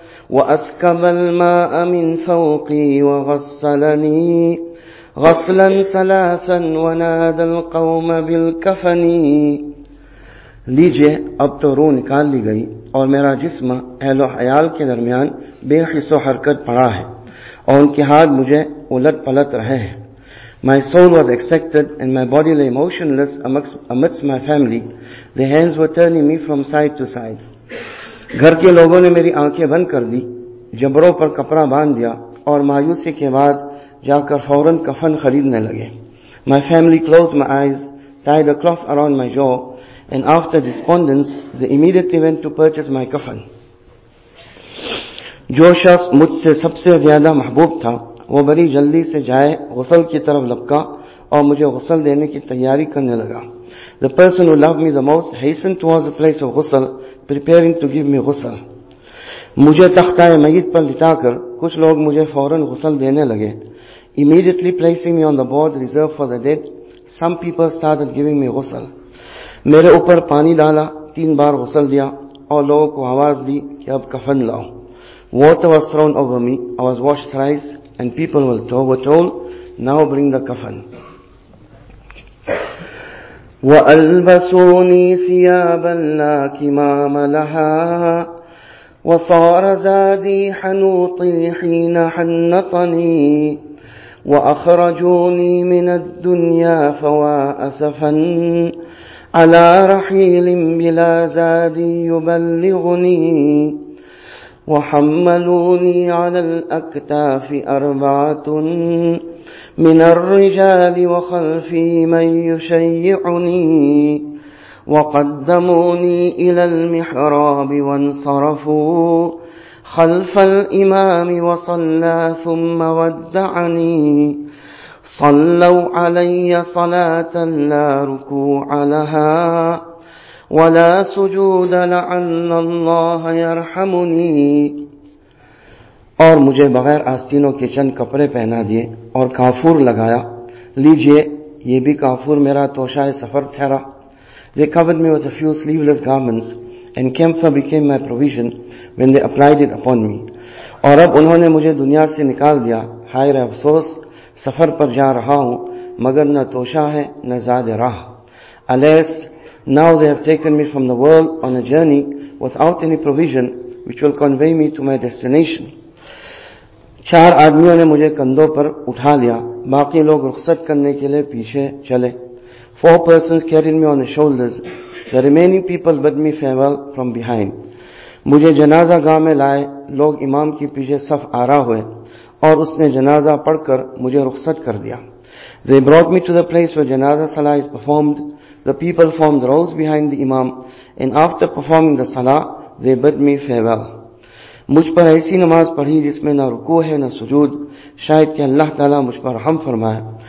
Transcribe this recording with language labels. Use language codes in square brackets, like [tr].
[ar] وأسكب الماء من فوقي وغسلني غسلا ثلاثا ونادى القوم بالكفن. [ur] لیجئے, اب تو روح نکال لی گئی اور میرا جسم اہل و عیال کے درمیان بے حس و حرکت پڑا ہے اور ان کے ہاتھ مجھے الٹ پلٹ رہے ہیں. [en] My soul was extracted and my body lay motionless amidst my family. The hands were turning me from side to side. [ur] گھر کے لوگوں نے میری آنکھیں بند کر دی, جبروں پر کپڑا باندھ دیا اور مایوسی کے بعد جا کر فوراً کفن خریدنے لگے. [en] My family closed my eyes, tied a cloth around my jaw and after despondence, they immediately went to purchase my coffin. [ur] جو شخص مجھ سے سب سے زیادہ محبوب تھا وہ بڑی جلدی سے جائے غسل کی طرف لپکا اور مجھے غسل دینے کی تیاری کرنے لگا. [en] The person who loved me the most hastened towards the place of غسل, preparing to give me غسل. [ur] مجھے تختہ میت پر لٹا کر کچھ لوگ مجھے فوراً غسل دینے لگے. [en] Immediately placing me on the board reserved for the dead, some people started giving me غسل. [ur] میرے اوپر پانی ڈالا, تین بار غسل دیا اور لوگوں کو آواز دی کہ اب کفن لاؤ. [en] Water was thrown over me, I was washed thrice, and people were told, now bring the coffin. [ar] وَأَلْبَسُونِي ثِيَابًا لَا كِمَامَ لَهَا وَصَارَ زَادِي حَنُوطِي حِينَ حَنَّطَنِي وَأَخْرَجُونِي مِنَ الدُّنْيَا فَوَا أَسَفًا عَلَى رَحِيلٍ بِلَا زَادِي يُبَلِّغُنِي وحملوني على الأكتاف أربعة من الرجال وخلفي من يشيعني وقدموني إلى المحراب وانصرفوا خلف الإمام وصلى ثم ودعني صلوا علي صلاة لا ركوع لها ولا سجود لعل الله يرحمني. [ur] اور مجھے بغیر آستینوں کے چند کپڑے پہنا دیے اور کافور لگایا. لیجئے یہ بھی کافور میرا توشہ سفر ٹھہرا. [en] They covered me with a few sleeveless garments and camphor became my provision when they applied it upon me. [ur] اور اب انہوں نے مجھے دنیا سے نکال دیا. ہائے رے افسوس, سفر پر جا رہا ہوں مگر نہ توشہ ہے نہ زاد راہ. [en] الیس, now they have taken me from the world on a journey without any provision which will convey me to my destination. [ur] چار آدمیوں نے مجھے کندھوں پر اٹھا لیا, باقی لوگ رخصت کرنے کے لیے پیچھے چلے. [en] Four persons carried me on their shoulders, the remaining people bid me farewell from behind. [ur] مجھے جنازہ گاہ میں لائے, لوگ امام کے پیچھے صف آرا ہوئے اور اس نے جنازہ پڑھ کر مجھے رخصت کر دیا. [en] They brought me to the place where janaza salah is performed. The people formed rows behind the imam and after performing the salah, they bid me farewell. [ur] مجھ پر ایسی نماز پڑھی جس میں نہ رکوع ہے نہ سجود, شاید کہ اللہ تعالیٰ مجھ پر رحم فرمائے.